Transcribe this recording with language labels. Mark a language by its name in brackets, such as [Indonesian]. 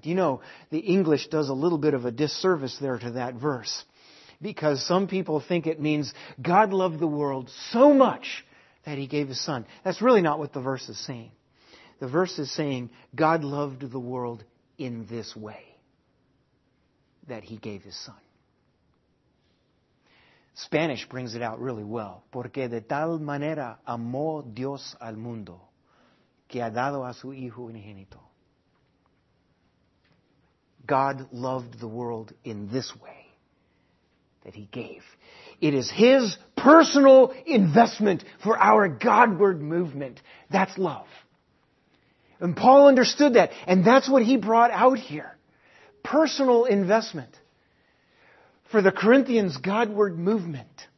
[English] Do you know, the English does a little bit of a disservice there to that verse, because some people think it means God loved the world so much that He gave His Son. That's really not what the verse is saying. The verse is saying, God loved the world in this way, that He gave His Son. Spanish brings it out really well. [Spanish] Porque de tal manera amó Dios al mundo, que ha dado a su Hijo unigénito. [English] God loved the world in this way, that He gave. It is His personal investment for our Godward movement. That's love. And Paul understood that. And that's what he brought out here. Personal investment. For the Corinthians Godward movement.